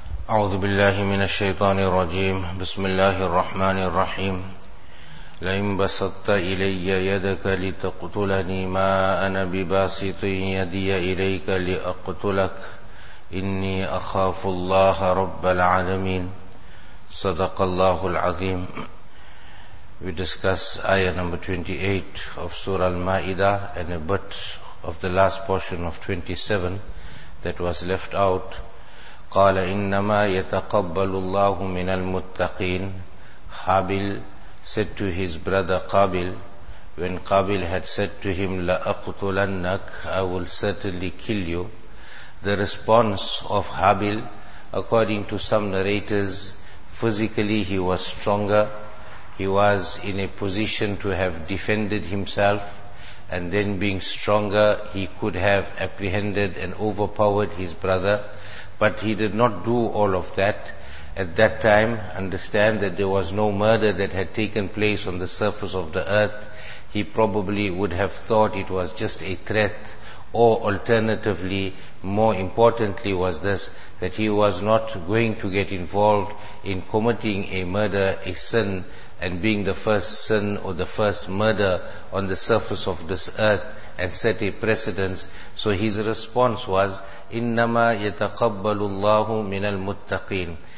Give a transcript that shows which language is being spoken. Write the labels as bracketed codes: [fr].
[ar] أعوذ بالله من الشيطان الرجيم بسم الله الرحمن الرحيم لئن بسطت إلي يدك لتقتلني ما أنا بباسط يدي إليك لأقتلك إني أخاف الله رب العالمين صدق الله العظيم. [en] We discuss ayah number 28 of Surah Al-Ma'idah and a bit of the last portion of 27 that was left out. [ar] قال إنما يتقبل الله من المتقين. [en] Habil said to his brother Qabil, when Qabil had said to him لأقتلنك, I will certainly kill you, the response of Habil, according to some narrators, physically he was stronger, he was in a position to have defended himself, and then being stronger he could have apprehended and overpowered his brother. But he did not do all of that. At that time, understand that there was no murder that had taken place on the surface of the earth. He probably would have thought it was just a threat, or alternatively, more importantly was this, that he was not going to get involved in committing a murder, a sin, and being the first sin or the first murder on the surface of this earth and set a precedence. So his response was, [ar] إِنَّمَا يَتَقَبَّلُ اللَّهُ مِنَ الْمُتَّقِينَ.